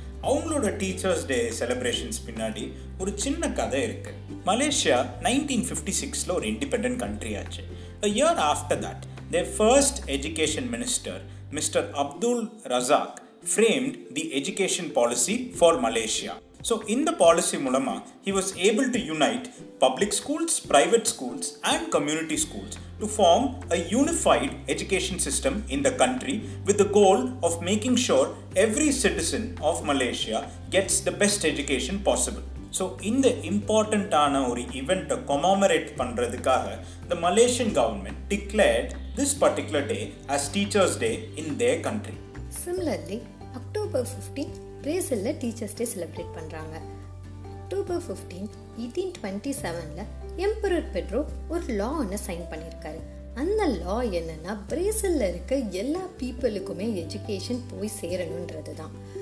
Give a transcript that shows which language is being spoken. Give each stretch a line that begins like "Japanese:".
Tamil: அவங்களோட teachers day celebrations பின்னாடி ஒரு சின்ன கதை இருக்குது. மலேசியா 1956 ஒரு இண்டிபெண்டன்ட் கண்ட்ரி ஆச்சு.
English: Year after that they first education minister mister Abdul Razak framed the education policy for Malaysia. So in the policy mulama, he was able to unite public schools, private schools and community schools to form a unified education system in the country with the goal of making sure every citizen of Malaysia gets the best education possible. So in the important ana or event commemorate pandradhukaga, the Malaysian government declared this particular day as Teachers Day in their country.
Tamil: Similarly, October 15 பிரேசிலில் teachers day celebrate பண்ணுறாங்க. October 15, 1827 emperor Pedro ஒரு லா ஒன்று sign பண்ணியிருக்காரு. அந்த லா என்னன்னா பிரேசிலில் இருக்க எல்லா பீப்புளுக்குமே எஜுகேஷன் போய் சேரணுன்றது தான்.